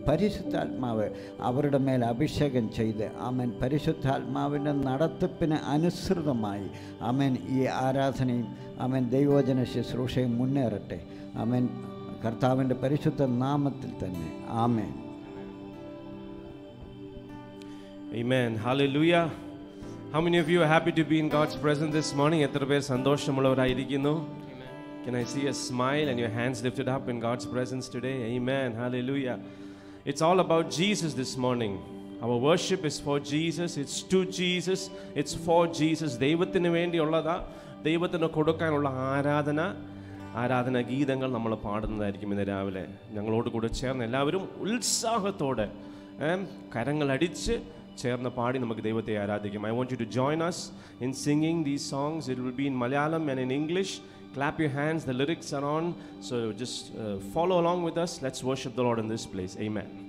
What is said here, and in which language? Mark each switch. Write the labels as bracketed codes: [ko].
[ml] പരിശുദ്ധാത്മാവ് അവരുടെ മേൽ അഭിഷേകം ചെയ്ത് ആമേൻ പരിശുദ്ധാത്മാവിൻ്റെ നടത്തിപ്പിന് അനുസൃതമായി ആമേൻ ഈ ആരാധനയും ആമേൻ ദൈവവചന ശുശ്രൂഷയും മുന്നേറട്ടെ. ആമേൻ കർത്താവിൻ്റെ പരിശുദ്ധ നാമത്തിൽ തന്നെ ആമേൻ. ആമേൻ. ഹല്ലേലൂയാ. [en] How many of you are happy to be in God's presence this morning? [ml] എത്ര പേർ സന്തോഷമുള്ളവരായിരിക്കുന്നു? [en] Can I see a smile and your hands lifted up in God's presence today? Amen. Hallelujah. It's all about Jesus this morning. Our worship is for Jesus, it's to Jesus, it's for Jesus. [ml] ദൈവത്തിനു വേണ്ടിയുള്ളതാ, ദൈവത്തിന് കൊടുക്കാനുള്ള ആരാധന ആരാധന ഗീതങ്ങൾ നമ്മൾ പാടുന്നതായിരിക്കും ഇന്ന് രാവിലെ. ഞങ്ങളോട് കൂടെ ചേർന്ന് എല്ലാവരും ഉത്സാഹത്തോടെ കരങ്ങളടിച്ച് ചേർന്ന് പാടി നമുക്ക് ദൈവത്തെ ആരാധിക്കും. [en] I want you to join us in singing these songs. It will be in Malayalam and in English. Clap your hands, the lyrics are on. So just follow along with us. Let's worship the Lord in this place. Amen.